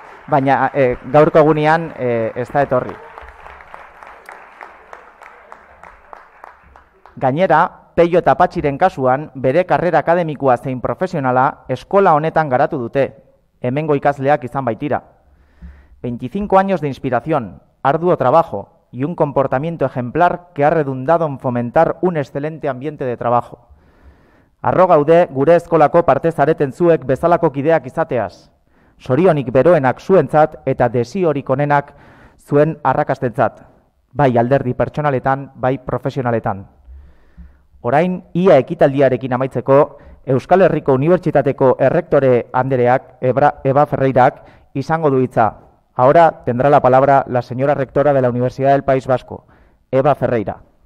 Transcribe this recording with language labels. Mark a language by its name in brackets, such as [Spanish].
[Basque] Baina gaurko egunean ez da etorri. Gainera, Peio eta Patxiren kasuan, bere karrera akademikoa zein profesionala eskola honetan garatu dute, hemengo ikasleak izan baitira. [Spanish] 25 años de inspiración, arduo trabajo y un comportamiento ejemplar que ha redundado en fomentar un excelente ambiente de trabajo. [Basque] Arro gaude gure eskolako parte zareten zuek bezalako kideak izateaz. Sorionik beroenak zuentzat eta desiorik onenak zuen arrakastentzat. Bai alderdi pertsonaletan, bai profesionaletan. Orain, ia ekitaldiarekin amaitzeko, Euskal Herriko Unibertsitateko errektore andereak, Eva Ferreirak, izango du hitza. [Spanish] Ahora tendrá la palabra la señora rectora de la Universidad del País Vasco, Eva Ferreira.